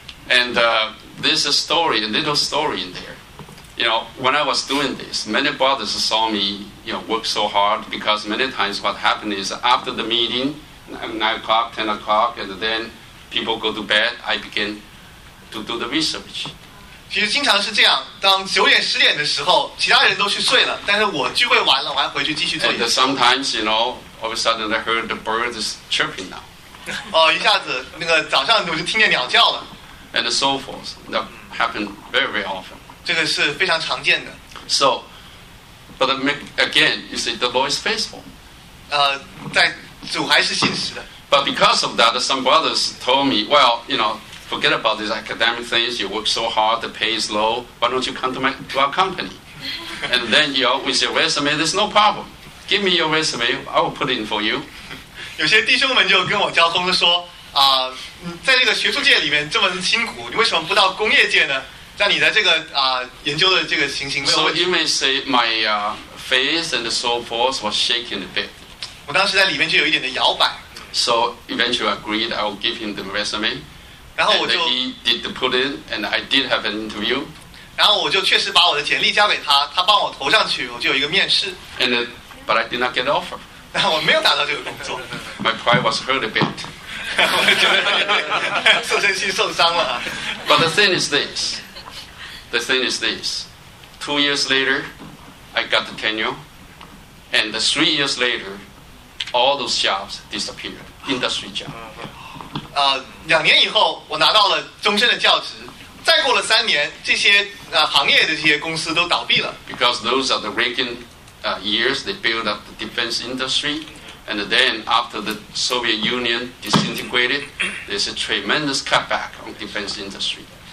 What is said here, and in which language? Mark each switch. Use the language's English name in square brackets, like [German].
[English] And there's a story, a little story in there. You know, when I was doing this, many brothers saw me, you know, work so hard because many times what happened is after the meeting, 9 o'clock, 10 o'clock, and then. People go to bed. I begin to do the research. [Chinese] 其实经常是这样。当9点10点的时候，其他人都去睡了，但是我聚会完了，我还回去继续做。 [English] And sometimes, you know, all of a sudden I heard the birds chirping now. [Chinese] 一下子那个早上我就听见鸟叫了。 [English] And so forth. That happened very, very often. [Chinese] 这个是非常常见的。 [English] So, but again, you see, the Lord is faithful. [Chinese] 在主还是信实的。 [English] But because of that, some brothers told me, well, you know, forget about these academic things. You work so hard, the pay is low. Why don't you come to our company? And then, you know, with your resume, there's no problem. Give me your resume. I will put it in for you. [Chinese] 有些弟兄们就跟我交通说，在这个学术界里面这么辛苦，你为什么不到工业界呢？在你的这个研究的这个情形没有问题。 [English] So you may say my face and so forth was shaking a bit. [Chinese] 我当时在里面就有一点的摇摆。 [English] So eventually, I agreed I will give him the resume. [Chinese] 然后我就 [English] and he did put in, and I did have an interview. [Chinese] 然后我就确实把我的简历交给他，他帮我投上去，我就有一个面试。 [English] And then, but I did not get offer. [Chinese] 然后我没有拿到这个工作。 [English] My pride was hurt a bit. [Chinese] 我觉得自尊心受伤了。 [English] But the thing is this. The thing is this. 2 years later, I got the tenure, and 3 years later. All those jobs disappeared. Industry job. [Chinese] 2年以后，我拿到了终身的教职。再过了三年，这些行业的这些公司都倒闭了。 [English] Because those are the Reagan years, they build up the defense industry, and then after the Soviet Union disintegrated, there's a tremendous cutback on defense industry.